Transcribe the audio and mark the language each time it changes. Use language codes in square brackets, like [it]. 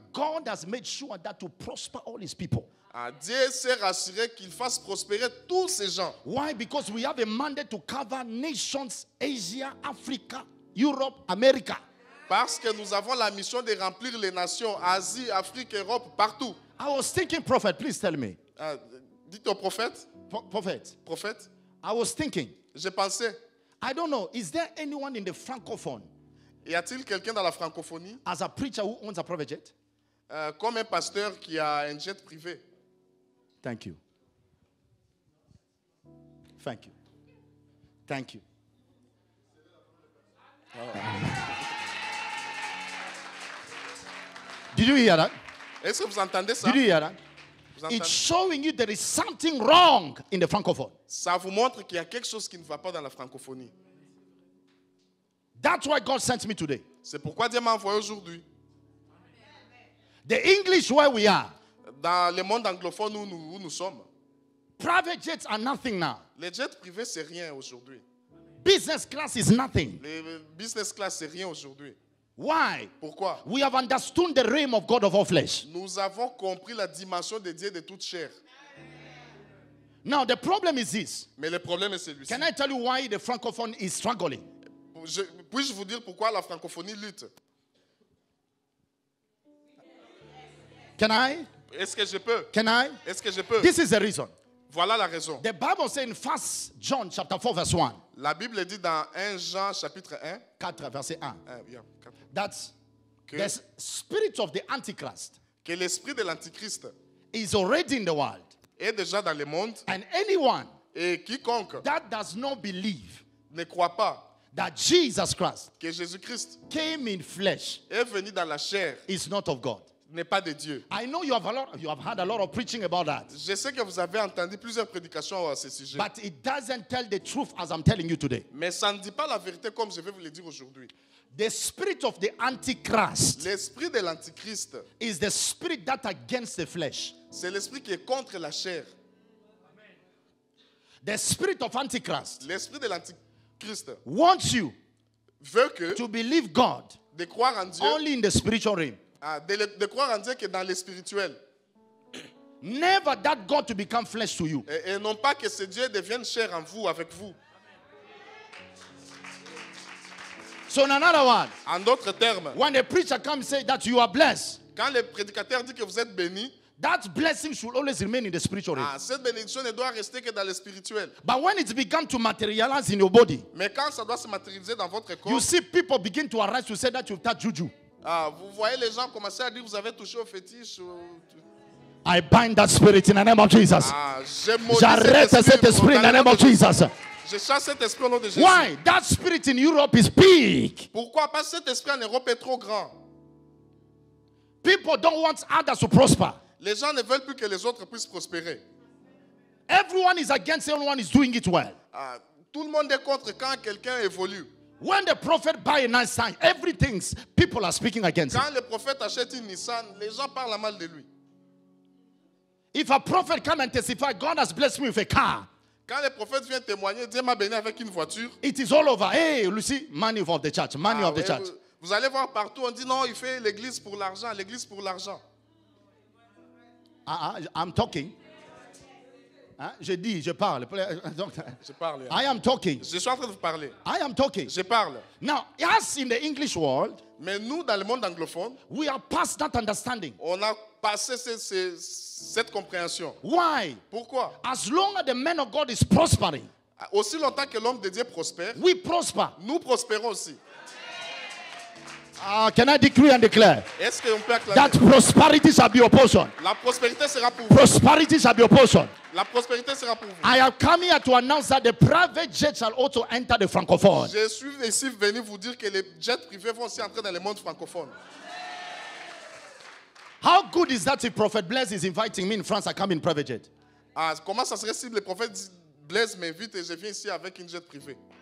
[en] God has made sure that to prosper all his people. [fr] Ah, Dieu s'est rassuré qu'il fasse prospérer tous ces gens. [en] Why? Because we have a mandate to cover nations, Asia, Africa, Europe, America. [fr] Parce que nous avons la mission de remplir les nations, Asie, Afrique, Europe, partout. [en] I was thinking, prophet, please tell me. [fr] Dites au prophète. Prophète. Prophète. [en] I was thinking. [fr] Je pensais. [en] I don't know. Is there anyone in the francophone? [fr] Y a-t-il quelqu'un dans la francophonie? [en] As a preacher who owns a private jet? [fr] Comme un pasteur qui a un jet privé. [en] Thank you. Thank you. Thank you. Oh. Did you hear that? [fr] Est-ce que vous entendez ça? [en] Did you hear that? It's showing you there is something wrong in the francophone. [fr] Ça vous montre qu'il y a quelque chose qui ne va pas dans la francophonie. [en] That's why God sent me today. [fr] C'est pourquoi Dieu m'a envoyé aujourd'hui. [en] The English where we are. [fr] Dans le monde anglophone où nous sommes. [en] Private jets are nothing now. [fr] Les jets privés c'est rien aujourd'hui. [en] Business class is nothing. [fr] Les business class c'est rien aujourd'hui. [en] Why? [fr] Pourquoi? [en] We have understood the realm of God of all flesh. [fr] Nous avons compris la dimension de Dieu de toute chair. [en] Now the problem is this. [fr] Mais le problème est celui-ci. [en] Can I tell you why the francophone is struggling? [fr] Puis-je vous dire pourquoi la francophonie lutte? [en] Can I? [fr] Est-ce que je peux? [en] Can I? [fr] Est-ce que je peux? [en] This is the reason. [fr] Voilà la raison. [en] The Bible says in 1 John chapter 4 verse 1. [fr] La Bible dit dans 1 Jean chapitre 1. 4 verset 1. [en] Yeah, that the spirit of the Antichrist. [fr] Que l'esprit de l'antichrist [en] is already in the world. [fr] Est déjà dans le monde. [en] And anyone. [fr] Et quiconque. [en] That does not believe. [fr] Ne croit pas. [en] That Jesus Christ. [fr] Que Jésus-Christ. [en] Came in flesh. [fr] Est venu dans la chair. [en] Is not of God. [fr] N'est pas de Dieu. [en] I know you have heard a lot of preaching about that. [fr] Je sais que vous avez entendu plusieurs prédications à ce sujet. [en] But it doesn't tell the truth as I'm telling you today. [fr] Mais ça ne dit pas la vérité comme je vais vous le dire aujourd'hui. [en] The spirit of the Antichrist. [fr] L'esprit de l'antichrist. [en] Is the spirit that against the flesh. [fr] C'est l'esprit qui est contre la chair. [en] Amen. The spirit of Antichrist. [fr] L'esprit de l'antichrist. [en] Wants you. [fr] Veut que. [en] To believe God. [fr] De croire en Dieu. [en] Only in the spiritual realm. [fr] De croire en Dieu que dans le spirituel. [en] Never that God to become flesh to you. [fr] Et non pas que ce Dieu devienne chair en vous, avec vous. [en] So in another word, [fr] en d'autres termes, [en] when the preacher comes say that you are blessed, [fr] quand le prédicateur dit que vous êtes béni, [en] that blessing should always remain in the spiritual realm. [fr] Ah, cette bénédiction ne doit rester que dans le spirituel. [en] But when it began to materialize in your body, [fr] mais quand ça doit se matérialiser dans votre corps, [en] you see people begin to arise to say that you've touched juju. [fr] Ah, vous voyez les gens commencer à dire vous avez touché au fétiche. [en] I bind that spirit in the name of Jesus. Ah, [fr] j'arrête cet esprit [en] in the name of Jesus. [fr] Je chasse cet esprit au nom de Jésus. [en] Why? That spirit in Europe is big. [fr] Pourquoi? Parce que cet esprit en Europe est trop grand. [en] People don't want others to prosper. [fr] Les gens ne veulent plus que les autres puissent prospérer. [en] Everyone is against it, everyone is doing it well. [fr] Ah, tout le monde est contre quand quelqu'un évolue. [en] When the prophet buy a nice sign, everything people are speaking against. [fr] Quand le prophète achète une Nissan, les gens parlent mal de lui. [en] If a prophet come and testify, God has blessed me with a car. [fr] Quand le prophète vient témoigner, Dieu m'a béni avec une voiture. [en] It is all over. Hey, Lucy, money of the church, money of the church. [fr] Vous allez voir partout, on dit non, il fait l'église pour l'argent, l'église pour l'argent. [en] I'm talking. [fr] Je dis, je parle. Je parle. [en] I am talking. [fr] Je suis en train de vous parler. [en] I am talking. [fr] Je parle. [en] Now, yes, in the English world, [fr] mais nous, dans le monde anglophone, [en] we are past that understanding. [fr] On a passé cette compréhension. [en] Why? [fr] Pourquoi? [en] As long as the man of God is prospering, [fr] aussi longtemps que l'homme de Dieu prospère, [en] we prosper. [fr] Nous prospérons aussi. [en] Can I decree and declare? [fr] Est-ce qu'on peut acclamer? [en] That prosperity shall be your portion. [fr] La prospérité sera pour vous. [en] Prosperity shall be your portion. [fr] La prospérité sera pour vous. [en] I have come here to announce that the private jet shall also enter the francophone. [fr] Je suis ici venu vous dire que les jets privés vont aussi entrer dans le monde francophone. [en] How good is that if Prophet Blaise is inviting me in France, I come in private jet? [fr] Comment ça serait si le prophète Blaise m'invite et je viens ici avec une jet privée?